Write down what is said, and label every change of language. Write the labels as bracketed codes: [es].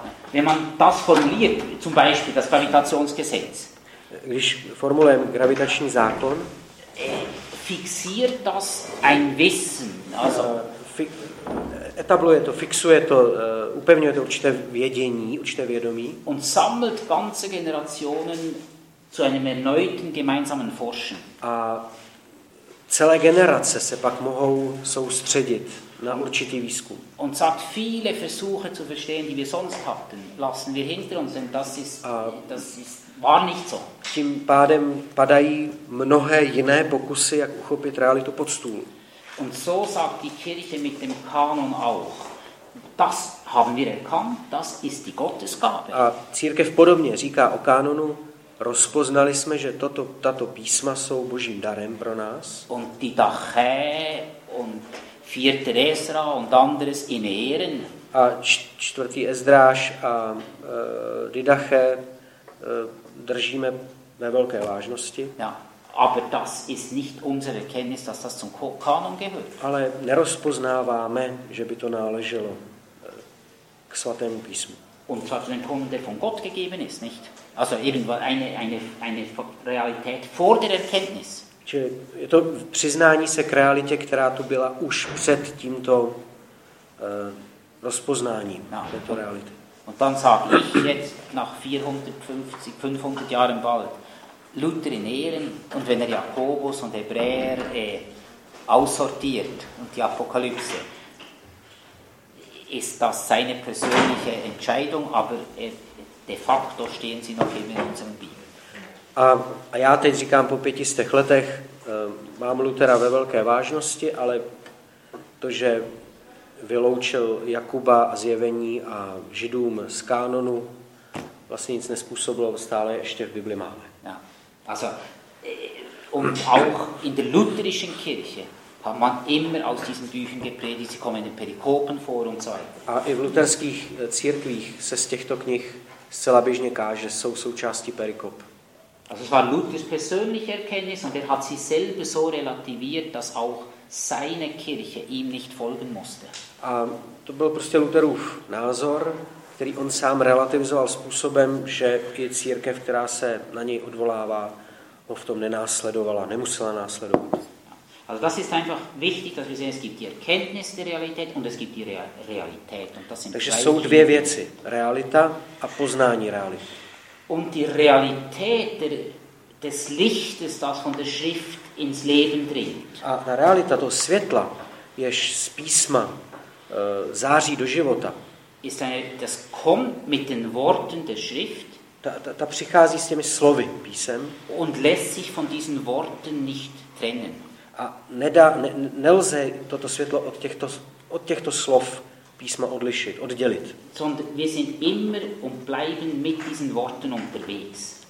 [de] Wenn man das formuliert, zum Beispiel das Gravitationsgesetz, [cs] když formulujeme gravitační zákon, [de] fixiert das ein Wissen, also [cs] etabluje to, fixuje to, upevňuje to určité vědění, určité vědomí, [de] und sammelt ganze Generationen zu einem erneuten gemeinsamen Forschen. [cs] A celé generace se pak mohou soustředit na určitý výzkum. [de] Und sagt, viele Versuche zu verstehen, die wir sonst hatten, lassen wir hinter uns, denn das ist war nicht so. [cs] Tím pádem padají mnohé jiné pokusy, jak uchopit realitu pod stůl. [de] Und so sagt die Kirche mit dem Kanon auch, das haben wir erkannt, das ist die Gottesgabe. [cs] A církev podobně říká o kanonu, rozpoznali jsme, že tato písma jsou Božím darem pro nás. [de] Und die Dache und 4. Ezra und anderes in Ehren. [cs] A 4. Ezdráš a Didache držíme ve velké vážnosti. [de] Ja, Aber das ist nicht unsere Kenntnis, dass das zum Kanon gehört. [cs] Ale nerozpoznáváme, že by to náleželo k svatému písmu. [de] Und zwar den Kanon, der von Gott gegeben ist, nicht? Also irgendwo eine Realität vor der Erkenntnis. [cs] Čili je to přiznání se k realitě, která tu byla už před tímto rozpoznáním této reality. [de] Und dann sage ich jetzt nach 450 Jahren bald Luther in Ehren und wenn er Jakobus und Hebräer aussortiert und die Apokalypse, ist das seine persönliche Entscheidung, aber de facto stehen sie noch immer in unserem Bibel. [cs] A já teď říkám po 500 letech, mám Luthera ve velké vážnosti, ale to, že vyloučil Jakuba a zjevení a židům z kánonu, vlastně nic nespůsobilo, stále ještě v Bibli máme. [de] Ja. Also und auch in der lutherischen Kirche hat man immer aus diesen Büchern gepredigt, sie kommen in den Perikopen vor und so weiter. [cs] A i v lutherských církvích se z těchto knih zcela běžně káže, jsou součástí perikop. [de] Also es war Luthers persönliche Erkenntnis und er hat sie selber so relativiert, dass auch seine Kirche ihm nicht folgen musste. [cs] A to byl prostě Lutherův názor, který on sám relativizoval způsobem, že je církev, která se na něj odvolává, ho v tom nenásledovala, nemusela následovat. [de] Also das ist einfach wichtig, dass wir sehen, es gibt die Erkenntnis der Realität und es gibt die Realität. Und das sind [cs] Takže jsou dvě věci, realita a poznání reality. [de] Und die Realität des Lichtes, das von der Schrift ins Leben dringt. [cs] A ta realita toho světla, jež z písma září do života, [de] ist eine, das kommt mit den Worten der Schrift. [cs] Ta přichází s těmi slovy písem. [de] Und lässt sich von diesen Worten nicht trennen. [cs] A nelze toto světlo od těchto slov písma odlišit, oddělit. [de] Sondern wir sind immer und bleiben mit diesen Worten unterwegs.